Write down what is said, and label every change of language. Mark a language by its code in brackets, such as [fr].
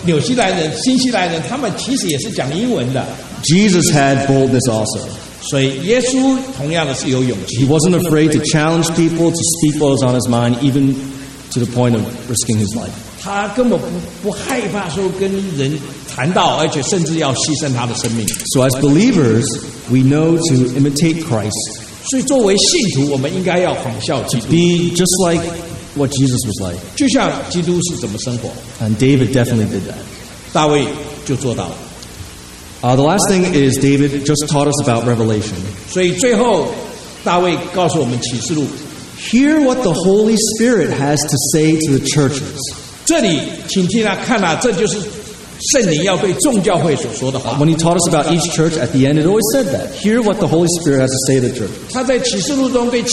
[zh] 那我提醒大卫说，纽西兰人、新西兰人，他们其实也是讲英文的。 [en] Jesus had boldness also. [zh] 所以耶稣同样的是有勇气。 [en] He wasn't afraid to challenge people, to speak what was on his mind, even to the point of risking his life. [zh] 他根本不害怕说跟人谈到，而且甚至要牺牲他的生命。 [en] So as believers, we know to imitate Christ. [zh] 所以作为信徒，我们应该要仿效基督。 [en] To be just like what Jesus was like. [zh] 就像基督是怎么生活。 [en] And David definitely did that. [zh] 大卫就做到了。 [en] The last thing is David just taught us about Revelation. [zh] 所以最后，大卫告诉我们启示录。 [en] Hear what the Holy Spirit has to say to the churches. [zh] 这里，请听啊，看啊，这就是圣灵要对众教会所说的话。 [en] When he taught us about each church, at the end, it always said that. Hear what the Holy Spirit has to say to the church.